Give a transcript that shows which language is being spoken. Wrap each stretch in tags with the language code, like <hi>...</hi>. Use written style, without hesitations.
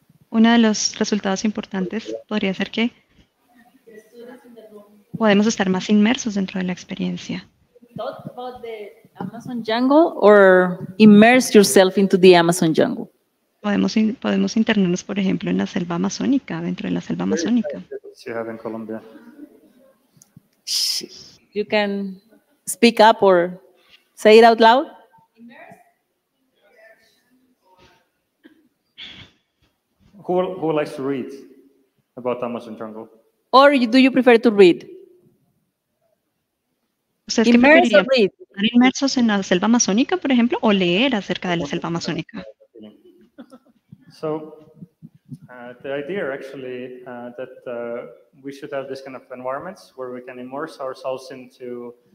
<es>Uno de los resultados importantes podría ser que podemos estar más inmersos dentro de la experiencia.</es> <en>Talk about the Amazon jungle or immerse yourself into the Amazon jungle.</en> <es>Podemos internarnos, por ejemplo, en la selva amazónica, dentro de la selva amazónica.</es> <en>You have in Colombia. You can speak up or say it out loud. Who likes to read about Amazon jungle? Or do you prefer to read?</en> <es>¿Ustedes qué preferirían? ¿Estar inmersos en la selva amazónica, por ejemplo, o leer acerca de la selva amazónica?</es> <en>So, the idea actually that we should have this kind of environments where we can immerse ourselves into</en>